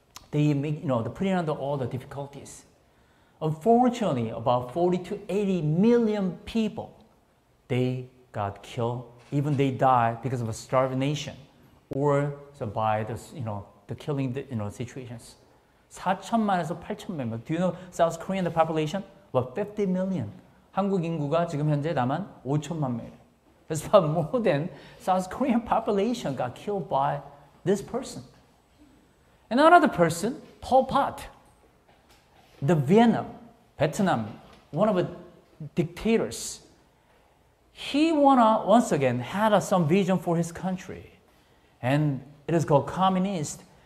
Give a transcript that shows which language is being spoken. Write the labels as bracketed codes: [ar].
[en] They make, you know, they put in under all the difficulties. Unfortunately, about 40 to 80 million people, they got killed. Even they died because of a starvation or so by the, you know, the killing, the, you know, situations. [ko] 4천만에서 8천만. [en] Do you know South Korean the population? About 50 million. [ko] 한국 인구가 지금 현재 다만 5천만 명. [en] That's about more than South Korean population got killed by this person. And another person, Pol Pot, the Vietnam, one of the dictators, he wanna once again had some vision for his country, and it is called communist.